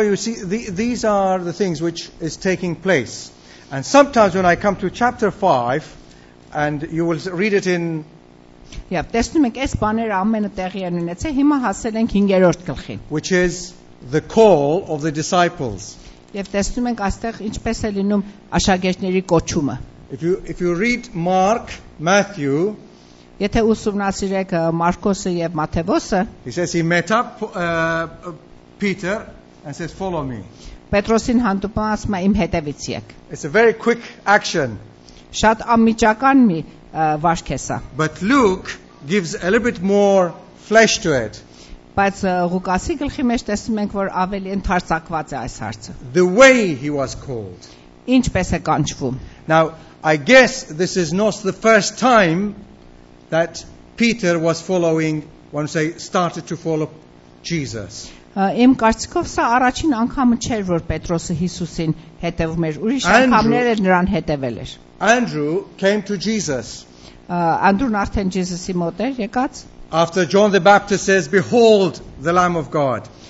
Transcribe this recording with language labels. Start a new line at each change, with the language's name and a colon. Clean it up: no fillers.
English: you see, these are the things which is taking place. And sometimes when I come to chapter 5, and you will read it in...
Armenian: Եվ տեսնում ենք այս բաները ամենը տեղի են ունեցել, հիմա հասել ենք 5-րդ գլխին։
English: Which is the call of the disciples.
Armenian: Եվ տեսնում ենք այստեղ ինչպես է լինում աշակերտների կոչումը։
English: If you read Mark, Matthew,
Armenian: եթե ուսումնասիրեք Մարկոսը եւ Մատթեոսը,
English: he says he met up Peter and says follow me.
Armenian: Պետրոսին հանդիպում ասում է իմ հետևից եկ։
English: It's a very quick action.
Armenian: Շատ ամիջական մի
English: But Luke gives a little bit more flesh to it.
Armenian: Բայց Ղուկասի գլխի մեջ տեսնում ենք, որ ավելի ընդարձակված է այս հարցը.
English: The way he was called.
Armenian: Ինչպես է կանչվում.
English: Now, I guess this is not the first time that Peter was following, one say, started to follow Jesus.
Armenian: Իմ կարծիքով սա առաջին անգամը չէր, որ Պետրոսը Հիսուսին հետևում էր, ուրիշ անգամները նրան հետևել էր.
English: Andrew came to Jesus.
Armenian: Անդրուն արդեն Ջեսուսի մոտ էր եկած.
English: After John the Baptist says, "Behold the Lamb of God."